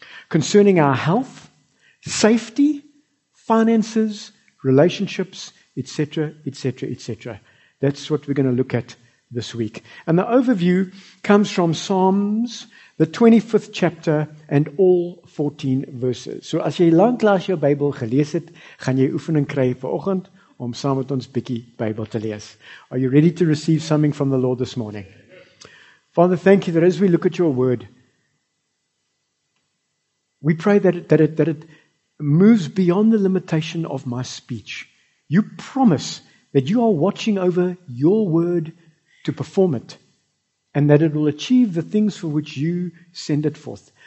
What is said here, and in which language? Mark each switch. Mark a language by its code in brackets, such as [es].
[en] concerning our health, safety, finances, relationships, etc., etc., etc. That's what we're going to look at this week. And the overview comes from Psalms, the 25th chapter, and all 14 verses. [af] So as jy lank laas jou Bybel gelees het, gaan jy oefening kry vir oggend om saam met ons bietjie Bybel te lees. [en] Are you ready to receive something from the Lord this morning? Father, thank you that as we look at your word, we pray that it moves beyond the limitation of my speech. You promise that you are watching over your word to perform it, and that it will achieve the things for which you send it forth.